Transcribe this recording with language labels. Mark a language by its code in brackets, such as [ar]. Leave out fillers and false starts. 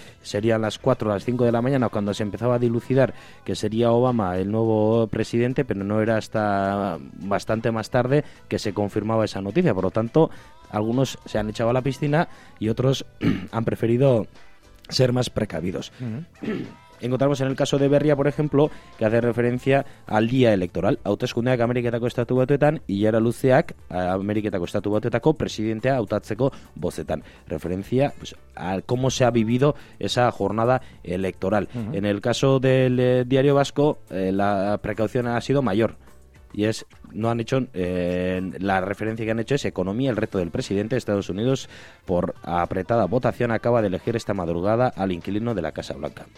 [es] Serían las 4 o las 5 de la mañana cuando se empezaba a dilucidar que sería Obama el nuevo presidente, pero no era hasta bastante más tarde que se confirmaba esa noticia. Por lo tanto, algunos se han echado a la piscina y otros han preferido ser más precavidos. Encontramos en el caso de Berria, por ejemplo, que hace referencia al día electoral. [eu] Hauteskundeak Ameriketako Estatu Batuetan, Ilara Luzeak Ameriketako Estatu Batuetako presidentea hautatzeko bozetan. [es] Referencia pues a cómo se ha vivido esa jornada electoral. En el caso del diario Vasco, la precaución ha sido mayor. Y es, no han hecho, la referencia que han hecho es economía, el reto del presidente de Estados Unidos por apretada votación acaba de elegir esta madrugada al inquilino de la Casa Blanca.